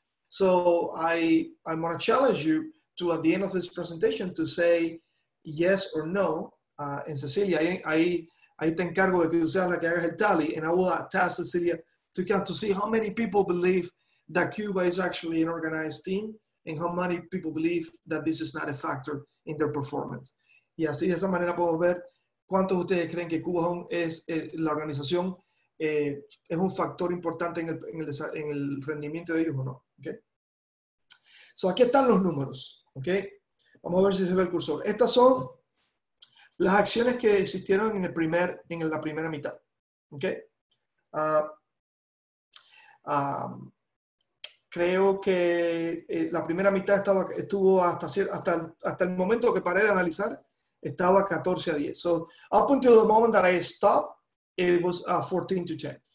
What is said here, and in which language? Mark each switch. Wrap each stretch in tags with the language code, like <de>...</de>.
<en>So I'm gonna challenge you to, at the end of this presentation, to say yes or no. And Cecilia, I</en> <es>te encargo de que seas la que hagas el</es> <en>tally, and I will ask Cecilia to count to see how many people believe that Cuba is actually an organized team, and how many people believe that this is not a factor in their performance.</en> <es>Y así, de esa manera, podemos ver cuántos de ustedes creen que Cuba es la organización, es un factor importante en el rendimiento de ellos o no. Okay. So, aquí están los números. Okay. Vamos a ver si se ve el cursor. Estas son las acciones que existieron en la primera mitad. Okay. Creo que la primera mitad estuvo hasta el momento que paré de analizar, estaba 14 a 10.</es> <en>So, up until the moment that I stopped, it was 14 to 10.</en>